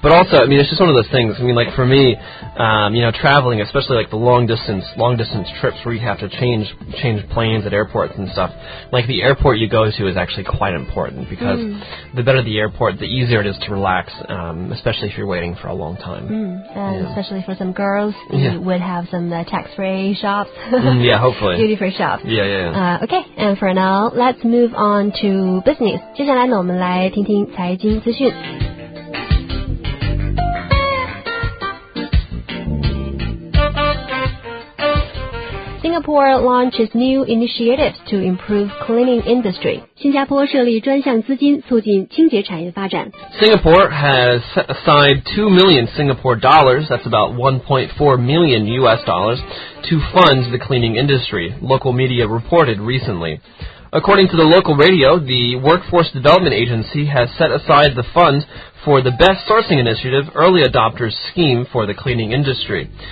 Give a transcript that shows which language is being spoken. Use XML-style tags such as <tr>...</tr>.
<en>But also, I mean, it's just one of those things. I mean, like, for me, you know, traveling, especially, like, the long distance trips where you have to change planes at airports and stuff, like, the airport you go to is actually quite important because the better the airport, the easier it is to relax, especially if you're waiting for a long time. And especially for some girls, you would have some tax-free shops. Yeah, hopefully. Duty-free shops. Yeah. Okay, and for now, let's move on to business.</en> <zh>接下来呢，我们来听听财经资讯。</zh> <en>Singapore launches new initiatives to improve cleaning industry.</en> <zh>新加坡设立专项资金促进清洁产业发展。</zh> <en>Singapore has set aside $2 million Singapore dollars, that's about $1.4 million US dollars, to fund the cleaning industry, local media reported recently. According to the local radio, the Workforce Development Agency has set aside the funds for the Best Sourcing Initiative Early Adopters Scheme for the cleaning industry.</en>